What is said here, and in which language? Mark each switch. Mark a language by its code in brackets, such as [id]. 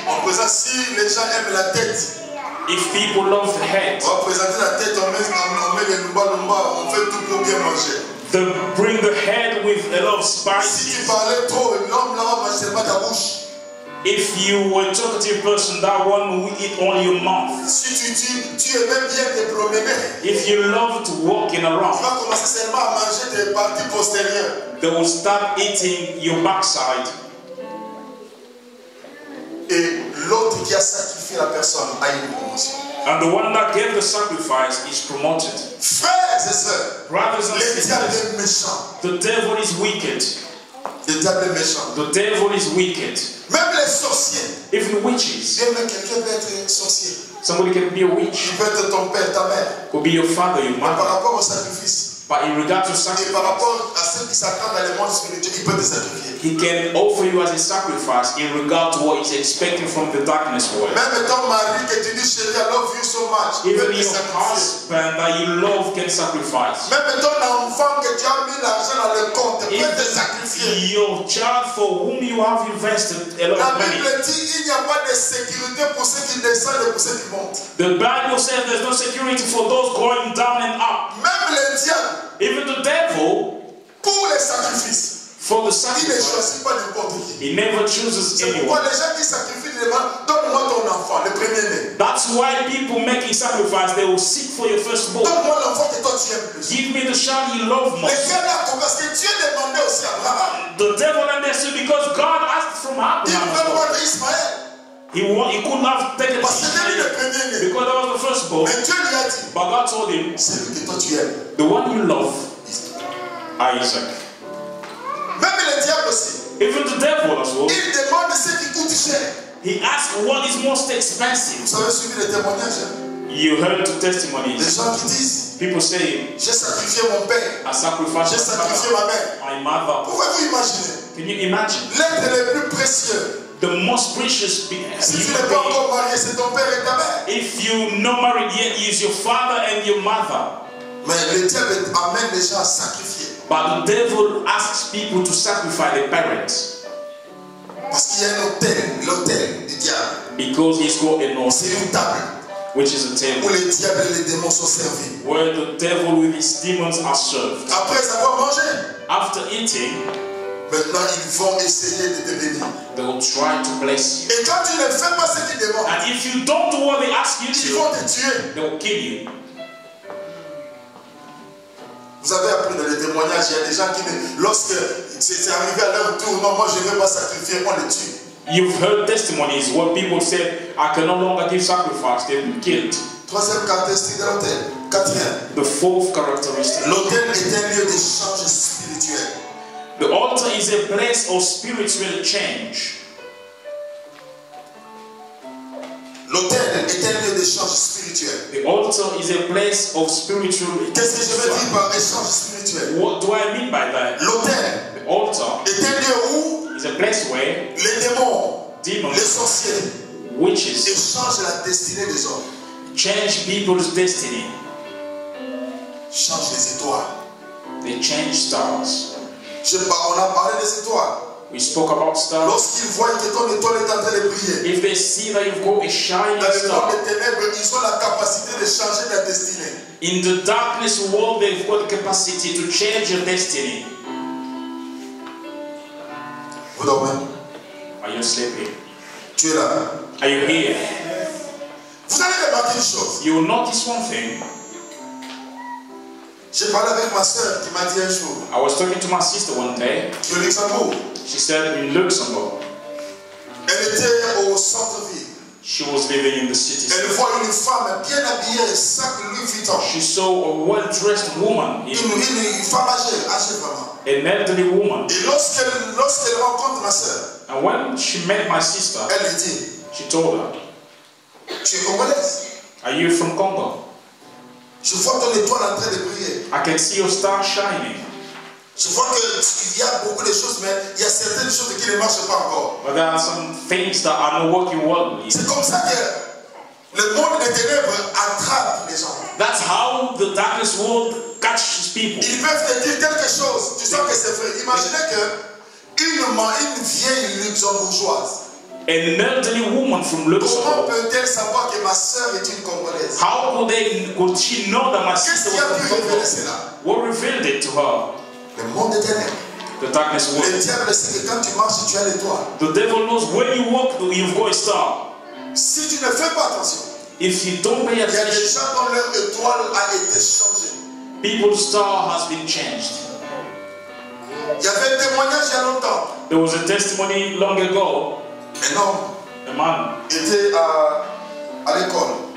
[fr] On présente si les gens aiment la tête. [en] If people love the head. [fr] On présente la tête, on met les lumba, on fait tout pour bien manger. [en] They bring the head with a lot of spices. [fr] Si tu parlais trop, l'homme là-bas mangerait pas ta bouche. [en] If you were a talkative person, that one will eat only your mouth. [fr] Si tu aimes bien te promener. [en] If you love to walk in a row. [fr] Tu vas commencer seulement à manger tes parties postérieures. [en] They will start eating your backside. [fr] Et l'autre qui a sacrifié la personne a une promotion. [en] And the one that gave the sacrifice is promoted. [fr] Frères et sœurs, [en] brothers and sisters, [fr] le diable est méchant. [en] The devil is wicked. [fr] Le diable est méchant. [en] The devil is wicked. [fr] Même les sorciers. [en] Even witches. [fr] Même quelqu'un peut être sorcier. [en] Somebody can be a witch. [fr] Il peut être ton père, ta mère. [en] Could be your father, your mother. [fr] Par rapport au sacrifice. [en] But in regard to sacrifice. [fr] Et par rapport à ceux qui s'attendent dans le monde spirituel, il peut te sacrifier. [en] He can offer you as a sacrifice in regard to what he's expecting from the darkness world. [fr] Même ton mari que tu dis chérie, [en] I love you so much. Even your husband that you love can sacrifice. [fr] Même ton enfant que tu as mis l'argent dans le compte, peut te sacrifier. [en] Your child for whom you have invested a lot of money. [fr] La Bible dit il n'y a pas de sécurité pour ceux qui descendent et pour ceux qui montent. [en] The Bible says there's no security for those going down and up. [fr] Même le diable. [en] Even the devil. [fr] Pour les sacrifices. [en] For the sacrifice, [fr] il ne choisit pas n'importe qui. [en] He never chooses [fr] c'est [en] anyone. [fr] Pourquoi les gens qui sacrifient les mains, donne-moi ton enfant, le premier-né. [en] That's why people making sacrifice, they will seek for your firstborn. [fr] Donne-moi l'enfant que toi tu aimes plus. [en] Give me the child you love most. [fr] Mais Dieu l'a parce que Dieu demandait aussi à Abraham. [en] The devil understood because God asked from Abraham. [fr] Il veut voir Ismaël. [en] He could not have taken [fr] parce [en] Ismaël [fr] le premier-né. [en] Because that was the firstborn. [fr] Mais Dieu lui a dit. [en] But God told him. [fr] C'est lui que toi tu aimes. [en] The one you love, Isaac. [fr] Même le diable aussi. [en] Even the devil as well. [fr] Il demande ce qui coûte cher. [en] He asks what is most expensive. [fr] Vous avez suivi les témoignages. [en] You heard the testimonies. [fr] Les gens qui disent. [en] People say. [fr] J'ai sacrifié mon père. [en] I sacrificed. [fr] J'ai sacrifié ma mère. [en] My mother. [fr] Pouvez-vous imaginer? [en] Can you imagine? [fr] L'être le plus précieux. [en] The most precious being. [fr] Si tu n'es pas encore marié, c'est ton père et ta mère. [en] If you're not married yet, it's your father and your mother. [fr] Mais le diable amène les gens à sacrifier. [en] But the devil asks people to sacrifice their parents. [fr] Parce qu'il y a un hôtel, l'hôtel du diable. [en] Because he's got an hôtel. [fr] C'est une table. [en] Which is a table. [fr] Où le diable et les démons sont servis. [en] Where the devil with his demons are served. [fr] Après avoir mangé. [en] After eating. [fr] Maintenant ils vont essayer de te bénir. [en] They will try to bless you. [fr] Et quand tu ne fais pas ce qu'ils demandent. [en] And if you don't do what they ask you to. [fr] Ils vont te tuer. [en] They will kill you. [fr] Vous avez appris dans les témoignages, il y a des gens qui, lorsque c'est arrivé à leur tour, non, moi je ne veux pas sacrifier, moi le tue. [en] You've heard testimonies where people said, I can no longer give sacrifice, they've been killed. [fr] Troisième caractéristique de l'hôtel. Quatrième. [en] The fourth characteristic. [fr] L'hôtel est un lieu d'échange spirituel. [en] The altar is a place of spiritual change. [fr] L'autel est un lieu d'échange spirituel. [en] The altar is a place of spiritual. [fr] Qu'est-ce que je veux dire par échange spirituel? [en] What do I mean by that? [fr] L'autel. [en] The altar. [fr] Est un lieu où? [en] Is a place where. [fr] Les démons. [en] Demons. [fr] Les sorciers. [en] Witches. [fr] Échangent la destinée des hommes. [en] change people's destiny. [fr] Change les étoiles. [en] They change stars. [fr] Je parle, on a parlé des étoiles. [en] We spoke about stars. [fr] Lorsqu'ils voient que ton étoile est en train de briller, [en] if they see that you've got a shining [fr] dans [en] star, [fr] les ténèbres, ils ont la capacité de changer ta destinée. [en] In the darkness world, they've got the capacity to change your destiny. [fr] Vous dormez? [en] Are you sleeping? [fr] Tu es là? [en] Are you here? [fr] Vous allez remarquer une chose. [en] You will notice one thing. [fr] J'ai parlé avec ma sœur qui m'a dit un jour. [en] I was talking to my sister one day. [fr] Au Luxembourg. [en] She said in Luxembourg. [fr] Elle était au centre-ville. [en] She was living in the city. [fr] Elle voit une femme bien habillée, sac Louis Vuitton. [en] She saw a well-dressed woman. [fr] Une femme âgée, âgée vraiment. [en] An elderly woman. [fr] Et lorsqu'elle rencontre ma sœur. [en] And when she met my sister. [fr] Elle dit. [en] She told her. [fr] Tu es congolaise. [en] Are you from Congo? [fr] Je vois ton étoile en train de briller. [en] I can see your star shining. [fr] Je vois qu'il y a beaucoup de choses, mais il y a certaines choses qui ne marchent pas encore. [en] But there are some things that are not working well. [fr] C'est comme ça que le monde des ténèbres attrape les gens. [en] That's how the darkness world catches people. [fr] Ils peuvent te dire quelque chose. Tu sens que c'est vrai. Imaginez que une vieille luxembourgeoise. [en] An elderly woman from Luxembourg. [fr] Comment peut-elle savoir que ma sœur est une Congolaise? [en] How could she know that my sister was from Congo? What revealed it to her? [fr] Le monde des ténèbres. [en] The darkness world. [fr] Le diable sait que quand tu marches, tu as l'étoile. [en] The devil knows when you walk, you've got a star. [fr] Si tu ne fais pas attention, [en] if you don't pay attention, [fr] il y a des gens dont leur étoile a été changée. [en] People's star has been changed. [fr] Il y avait un témoignage il y a longtemps. [en] There was a testimony long ago. [fr] Un homme, [en] a man, [fr] était à l'école.